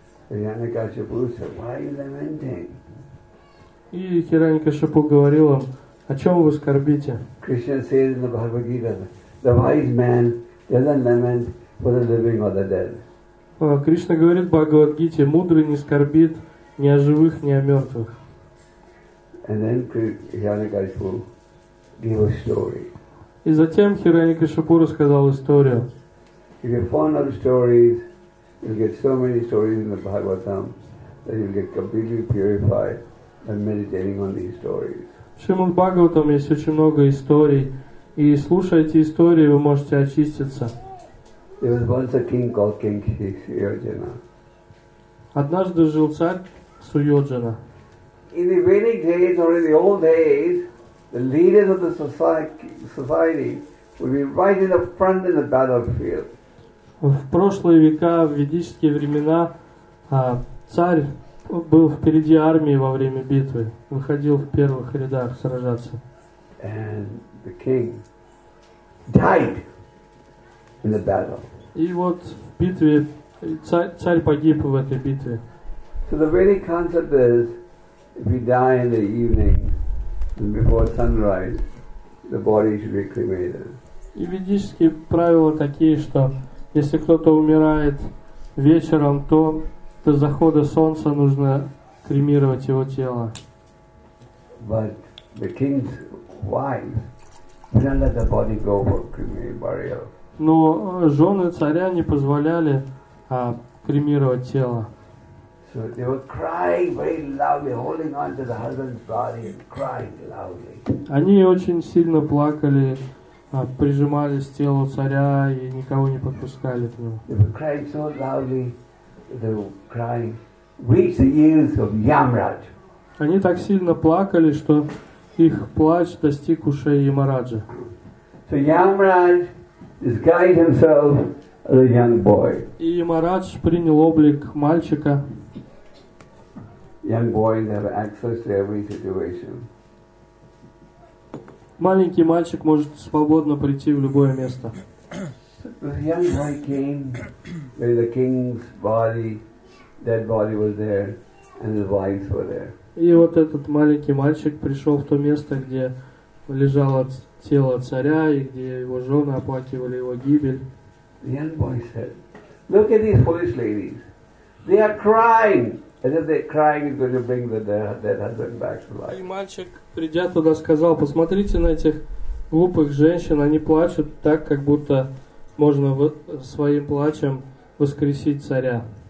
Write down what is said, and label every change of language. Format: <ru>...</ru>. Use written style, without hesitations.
<ru>И Хираньякашипу говорил им, о чем вы скорбите?</ru> <en>Krishna says in the Bhagavad Gita, the wise man doesn't lament for the living or the dead.</en> <ru>Кришна говорит в Бхагавад Гите, мудрый не скорбит ни о живых, ни о мертвых.</ru> <en>And then Hiranyakashipu gave a story.</en> <ru>И затем Хираньякашипу рассказал историю.</ru> <en>If you're fond of stories, you'll get so many stories in the Bhagavatam that you'll get completely purified by meditating on these stories.</en> <ru>В Шримад Бхагаватам есть очень много историй, и слушая эти истории, вы можете очиститься.</ru> <en>There was once a king called King Suyojana.</en> <ru>Однажды жил царь Суйоджана.</ru> <en>in the Vedic days or in the old days, the leaders of the society would be right in the front in the battlefield.</en> <ru>В прошлые века, в ведические времена, царь был впереди армии во время битвы, выходил в первых рядах сражаться.</ru> <en>And the king died in the battle.</en> <ru>И вот в битве царь погиб в этой битве.</ru> <en>So the very concept is, if you die in the evening, then before sunrise, the body should be cremated.</en> <ru>И ведические правила такие, что если кто-то умирает вечером, то до захода солнца нужно кремировать его тело.</ru> <en>But the king's wives didn't let the body go for cremation burial.</en> <ru>Но жены царя не позволяли кремировать тело.</ru> <en>So they were crying very loudly, holding on to the husband's body and crying loudly.</en> <ru>Они очень сильно плакали, прижимались к телу царя и никого не подпускали к нему.</ru> <en>They were crying so loudly, they were crying, reach the ears of Yamraj.</en> <ru>Они так сильно плакали, что их плач достиг ушей Ямараджа.</ru> <en>So Yamraj disguised himself as a young boy.</en> <ru>И Ямарадж принял облик мальчика.</ru> <en>Young boys have access to every situation.</en> <ru>Маленький мальчик может свободно прийти в любое место.</ru> <en>The young boy came where the king's body, dead body was there, and his wives were there.</en> <ru>И вот этот маленький мальчик пришел в то место, где лежало тело царя и где его жены оплакивали его гибель.</ru> <en>The young boy said, "Look at these foolish ladies. They are crying." And then they're crying and going to bring the dead husband back to life.</en> <ru>И мальчик, придя туда, сказал: "Посмотрите на этих глупых женщин. Они плачут так, как будто можно своим плачем воскресить царя."</ru>